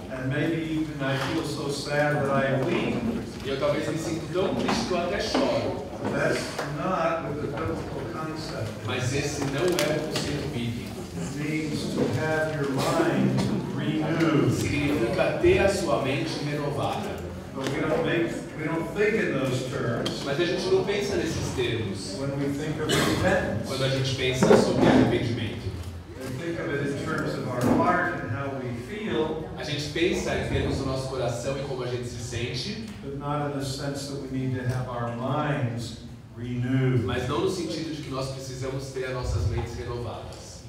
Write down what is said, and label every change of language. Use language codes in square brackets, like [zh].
[en] And maybe even I feel so sad that I am weak. [pt] E eu talvez me sinto tão triste que eu até choro. [en] That's not the biblical concept. [pt] Mas esse não é o conceito bíblico. [en] It means to have your mind renewed. [pt] Significa ter a sua mente renovada. [en] But we don't think in those terms. [pt] Mas a gente não pensa nesses termos. [en] When we think of repentance. [pt] Quando a gente pensa sobre arrependimento. [en] We think of it in terms of our heart and how we feel. [pt] A gente pensa em termos do nosso coração e como a gente se sente. [en] But not in the sense that we need to have our minds renewed. [pt] Mas não no sentido de que nós precisamos ter as nossas mentes renovadas.